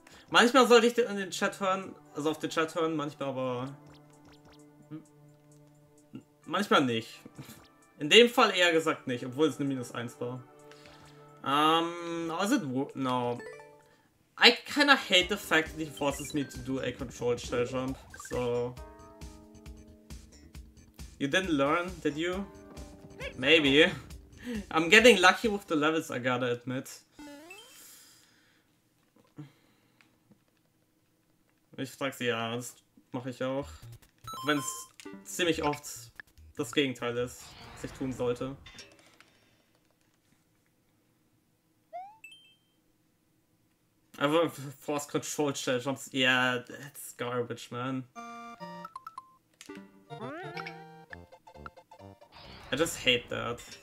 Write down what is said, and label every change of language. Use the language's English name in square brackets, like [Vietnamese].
[German] Manchmal sollte ich in den Chat hören, also auf den Chat hören, manchmal aber. Manchmal nicht. In dem Fall eher gesagt nicht, obwohl es eine minus 1 war. Was ist no. [English] I kinda hate the fact that he forces me to do a controlled shell jump, so. You didn't learn, did you? Maybe. I'm getting lucky with the levels, I gotta admit. [German] Ich frag sie, ja, das mache ich auch. Auch wenn es ziemlich oft das Gegenteil ist, was ich tun sollte. Aber [English] Force Control Shell Jumps, yeah, that's garbage, man. I just hate that.